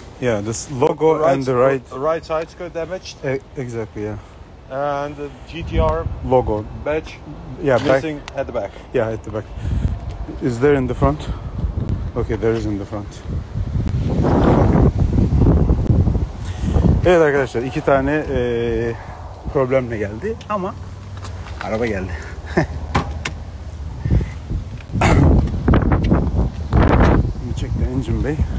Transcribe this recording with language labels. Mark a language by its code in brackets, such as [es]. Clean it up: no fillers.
[en] Yeah, this logo right, and the right... Right side skirt damaged. Exactly, yeah. And the GTR... Logo. Badge. Yeah, missing back. At the back. Yeah, at the back. Is there in the front? Okay, there is in the front. [tr] Evet arkadaşlar, iki tane problemle geldi ama araba geldi. [en] Let me check the engine bay.